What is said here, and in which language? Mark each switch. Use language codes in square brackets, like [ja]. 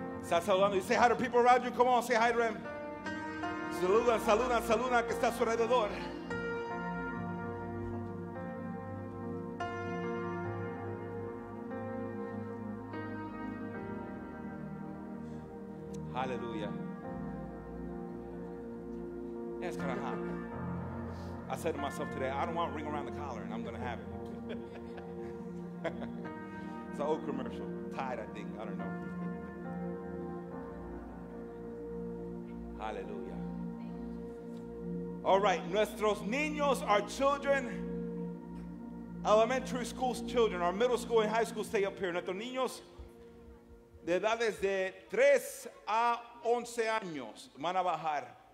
[en] You say hi to people around you. Come on, say hi to them. [es] Saluda, saluda, saluda que está a su alrededor. [en] Hallelujah. Yeah, it's kind of hot. I said to myself today, I don't want a ring around the collar, and I'm going to have it. It's an old commercial. Tide, I think. I don't know. Hallelujah. All right, [es] nuestros niños, [en] our children, elementary school children, our middle school and high school, stay up here. [es] Nuestros niños de edades de 3 a 11 años van a bajar